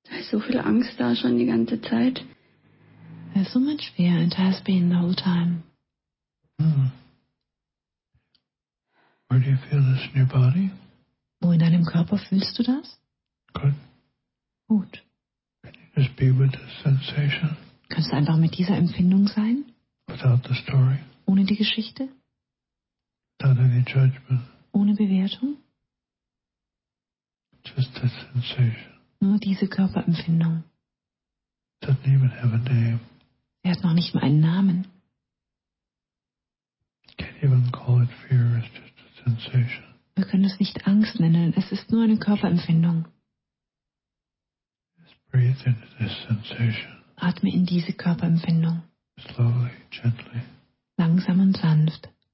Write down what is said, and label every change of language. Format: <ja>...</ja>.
<de>So viel Angst da schon die ganze Zeit.</de> <en>There's so much fear and has been the whole time. Where do you feel this in your body?</en> <de>Wo in deinem Körper fühlst du das?</de> <en>Good.</en> <de>Gut.</de> <en>Can you just be with this sensation?</en> <de>Kannst du einfach mit dieser Empfindung sein?</de> <en>Without the story.</en> <de>Ohne die Geschichte?</de> <en>Without any judgment.</en> <de>Ohne Bewertung?</de> <en>Just the sensation.</en> <de>Nur diese Körperempfindung.</de> <en>Doesn't even have a name.</en> <de>Er hat noch nicht mal einen Namen.</de> <en>Can't even call it fear, it's just a sensation.</en> <de>Wir können es nicht Angst nennen, es ist nur eine Körperempfindung.</de> <en>Just breathe into this sensation.</en> <de>Atme in diese Körperempfindung.</de> <en>Slowly, gently.</en> <de>Langsam und sanft.</de>